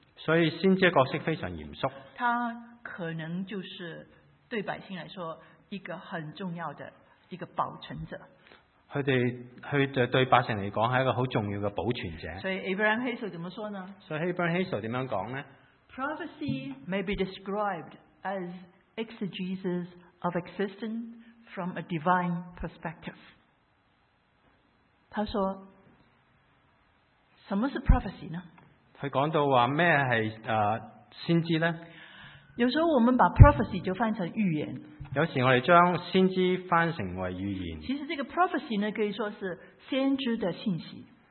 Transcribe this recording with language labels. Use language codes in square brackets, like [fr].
[zh] 所以先知的角色非常严肃，他可能就是对百姓来说一个很重要的一个保存者，他们对百姓来说是一个很重要的保存者。所以 Abraham Hazel 怎么说呢？所以 Abraham Hazel 怎么说呢？ [en] Prophecy may be described as exegesis of existence from a divine perspective。 [zh] 他说什么是 prophecy 呢？他说到什么是先知呢？有时候我们把 prophecy 就翻成预言，有时我们将先知翻成为预言。其实这个 prophecy 呢，可以说是先知的信息。